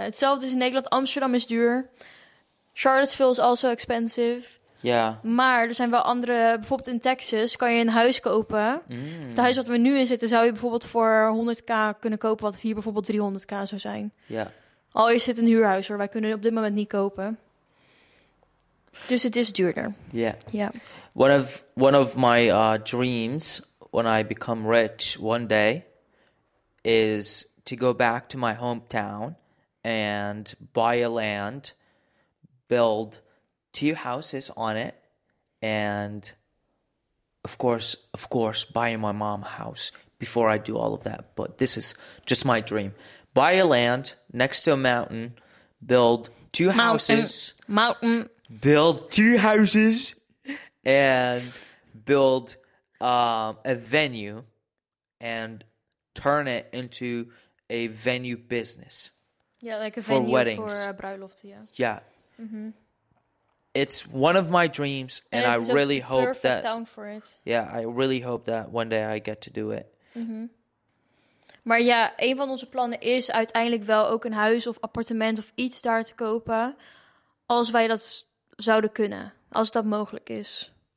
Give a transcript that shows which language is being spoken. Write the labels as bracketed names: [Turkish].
[Dutch] Hetzelfde is in Nederland. Amsterdam is duur. [English] Charlottesville is also expensive. [Dutch] Ja. Maar er zijn wel andere. Bijvoorbeeld in Texas kan je een huis kopen. Mm. Het huis wat we nu in zitten zou je bijvoorbeeld voor 100k kunnen kopen. Wat hier bijvoorbeeld 300k zou zijn. Ja. Al is het een huurhuis hoor. Wij kunnen op dit moment niet kopen. Dus het is duurder. Ja. Ja. [English] One of my dreams when I become rich one day is to go back to my hometown and buy a land, build 2 houses on it, and of course, buy my mom a house before I do all of that. But this is just my dream. Buy a land next to a mountain, build 2 houses. Mountain. Build 2 houses and build a venue and turn it into a venue business. Yeah, like a venue for weddings. For bruiloften, yeah. Yeah. Mm-hmm. It's one of my dreams, and I really hope that. Perfect town for it. Yeah, I really hope that one day I get to do it. Mm-hmm. [Dutch] Maar ja, een van onze plannen is uiteindelijk wel ook een huis of appartement of iets daar te kopen, als wij dat zouden kunnen, als dat mogelijk is.